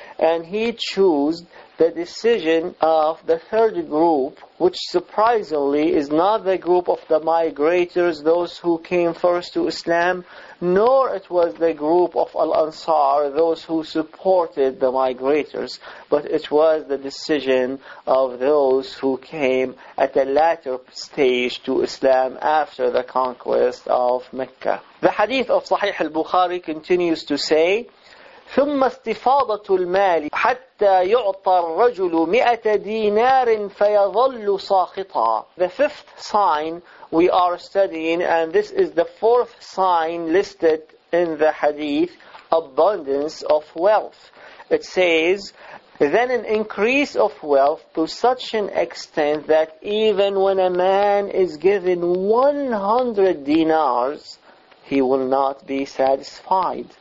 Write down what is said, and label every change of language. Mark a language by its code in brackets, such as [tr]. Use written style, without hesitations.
[en] And he chose the decision of the third group, which surprisingly is not the group of the migrators, those who came first to Islam, nor it was the group of Al-Ansar, those who supported the migrators, but it was the decision of those who came at a later stage to Islam after the conquest of Mecca. [ar] The hadith of Sahih al-Bukhari continues to say, ثم استفاضة المال حتى يعطى الرجل 100 دينار فيظل ساخطا. [en] The fifth sign we are studying, and this is the fourth sign listed in the hadith, abundance of wealth. It says, then an increase of wealth to such an extent that even when a man is given 100 dinars, he will not be satisfied.